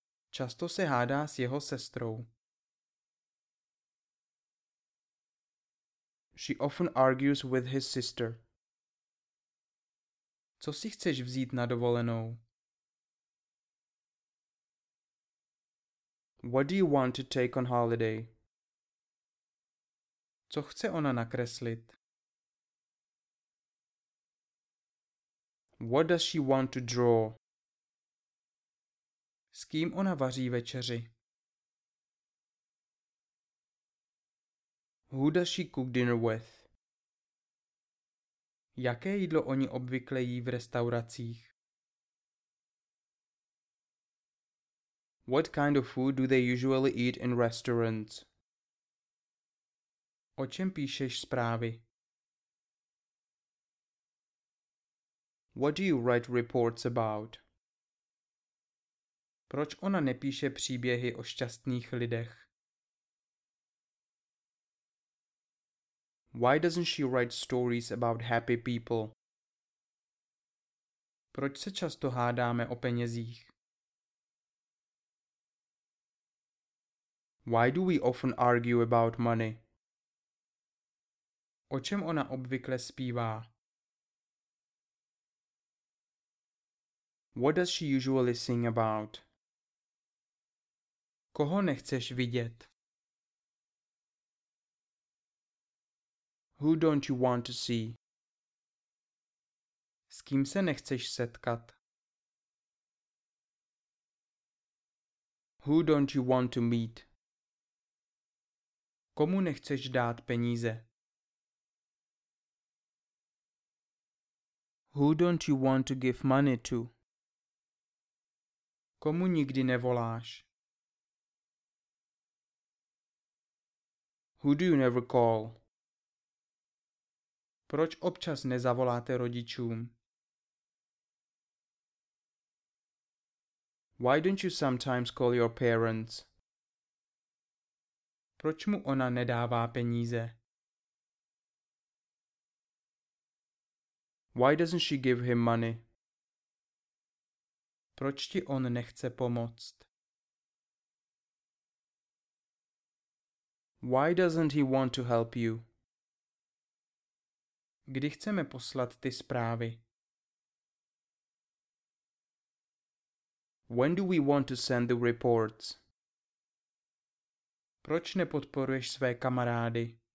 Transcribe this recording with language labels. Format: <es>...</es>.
<cs>Často se hádá s jeho sestrou.</cs> <en>She often argues with his sister.</en> <cs>Co si chceš vzít na dovolenou?</cs> <en>What do you want to take on holiday?</en> <cs>Co chce ona nakreslit?</cs> <en>What does she want to draw?</en> <cs>S kým ona vaří večeři?</cs> <en>Who does she cook dinner with?</en> <cs>Jaké jídlo oni obvykle jí v restauracích?</cs> <en>What kind of food do they usually eat in restaurants?</en> <cs>O čem píšeš zprávy?</cs> <en>What do you write reports about?</en> <cs>Proč ona nepíše příběhy o šťastných lidech?</cs> <en>Why doesn't she write stories about happy people?</en> <cs>Proč se často hádáme o penězích?</cs> <en>Why do we often argue about money?</en> <cs>O čem ona obvykle zpívá?</cs> <en>What does she usually sing about?</en> <cs>Koho nechceš vidět?</cs> <en>Who don't you want to see?</en> <cs>S kým se nechceš setkat?</cs> <en>Who don't you want to meet?</en> <cs>Komu nechceš dát peníze?</cs> <en>Who don't you want to give money to?</en> <cs>Komu nikdy nevoláš?</cs> <en>Who do you never call?</en> <cs>Proč občas nezavoláte rodičům?</cs> <en>Why don't you sometimes call your parents?</en> <cs>Proč mu ona nedává peníze?</cs> <en>Why doesn't she give him money?</en> <cs>Proč ti on nechce pomoct?</cs> <en>Why doesn't he want to help you?</en> <cs>Kdy chceme poslat ty zprávy?</cs> <en>When do we want to send the reports?</en> <cs>Proč nepodporuješ své kamarády?</cs>